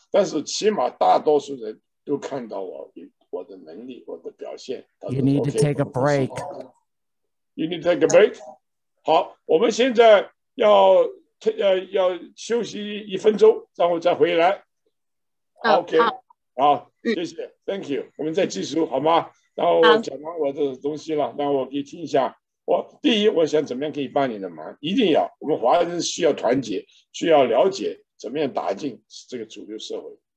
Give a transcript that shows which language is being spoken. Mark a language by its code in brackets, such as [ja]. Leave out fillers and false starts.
[zh] 但是起码大多数人都看到我的能力，我的表现。 [en] You need to take a break. You need to take a break. [zh] 好，我们现在要休息一分钟，然后再回来。 OK， 好，谢谢 ， [en] Thank you。 [zh] 我们再继续好吗？然后我讲完我的东西了，那我可以听一下。我第一，我想怎么样可以帮你的忙？一定要，我们华人需要团结，需要了解怎么样打进这个主流社会。